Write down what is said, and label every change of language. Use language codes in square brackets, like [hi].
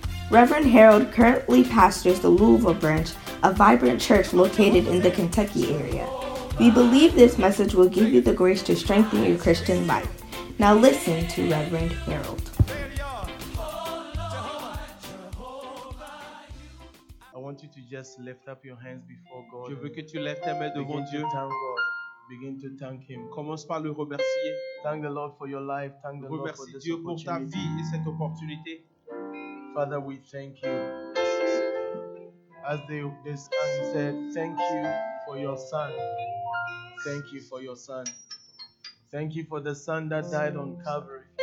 [en] Reverend Harold currently pastors the Louisville branch, a vibrant church located in the Kentucky area. We believe this message will give you the grace to strengthen your Christian life. Now listen to Reverend Harold. I want you to just lift up your hands before God. [fr] Je veux que tu lèves tes mains devant Dieu. [en] Begin to thank God. Begin to thank Him. [fr] Commence par le remercier. [en] Thank the Lord for your life. Thank the Lord for this opportunity. [fr] Remercie Dieu pour ta vie et cette opportunité. [en] Father, we thank you. As this man said, thank you for your son. Thank you for your son. Thank you for the son that died on Calvary.